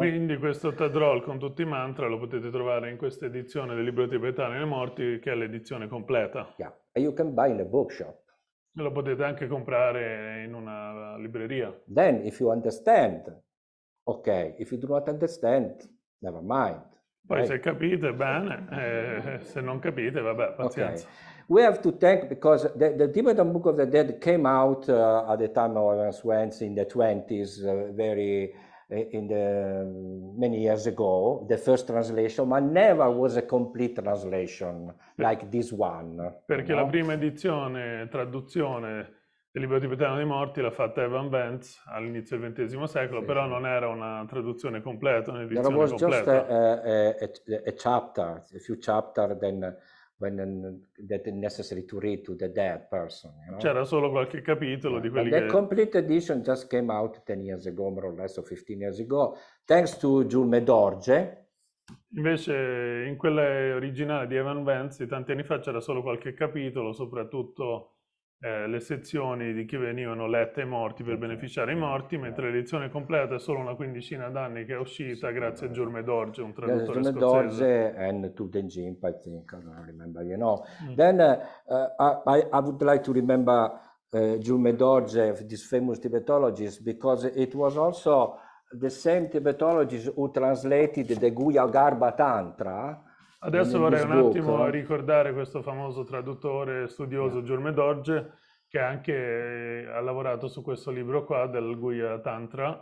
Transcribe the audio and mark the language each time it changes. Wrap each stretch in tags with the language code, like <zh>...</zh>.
<it>Quindi questo tadrol con tutti i mantra lo potete trovare in questa edizione del libro tibetano dei morti, che è l'edizione completa.</it> <en>You can buy in a bookshop.</en> <it>Lo potete anche comprare in una libreria.</it> <en>Then, if you understand, okay. If you do not understand, never mind.</en> <it>Poi se capite bene, se non capite, vabbè, pazienza.</it> <en>Okay. We have to thank because the Tibetan Book of the Dead came out at the time of Evans Wentz in the 20s, many years ago, the first translation, ma never was a complete translation like this one.</en> <it>Perché la prima edizione, traduzione del Libro Tibetano dei Morti l'ha fatta Evan Wentz all'inizio del XX secolo, sì, però sì, non era una traduzione completa, un'edizione</it> <en>There was just a few chapter then when that necessary to read to the dead person. You know?</en> <it>C'era solo qualche capitolo, yeah, di quelli</it> <en>the</en> <it>che...</it> <en>The complete edition just came out 10 years ago, more or less, or 15 years ago, thanks to Jules Medorge.</en> <it>Invece in quella originale di Evan Wentz, tanti anni fa, c'era solo qualche capitolo, soprattutto le sezioni di chi venivano lette ai morti per beneficiare i morti, mentre l'edizione completa è solo una quindicina d'anni che è uscita, sì, grazie a Jules Medorge, un traduttore scozzese.</it> <en>Jules Medorge and Tuten Jimp, I think, I don't remember, you know. Mm. Then I would like to remember Jules Medorge, this famous Tibetologist, because it was also the same Tibetologist who translated the Guhyagarbha Tantra.</en> <it>Adesso vorrei un attimo ricordare questo famoso traduttore studioso, yeah, Jules Medorge, che anche ha lavorato su questo libro qua del Guhya Tantra.</it>